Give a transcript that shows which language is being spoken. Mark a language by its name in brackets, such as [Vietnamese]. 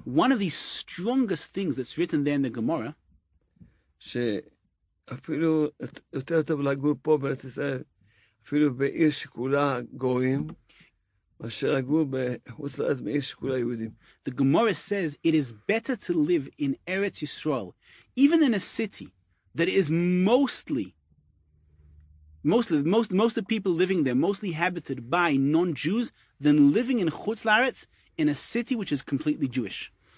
[English] One of the strongest things that's written there in the Gemara. [Hebrew] שאפילו יותר טוב לגור פה בארץ ישראל, אפילו בעיר שכולה גויים, מאשר לגור בחוץ לארץ בעיר שכולה יהודים. [English] The Gemara says it is better to live in Eretz Yisrael, even in a city that is mostly the people living there, mostly inhabited by non-Jews, than living in Chutz Laretz, in a city which is completely Jewish.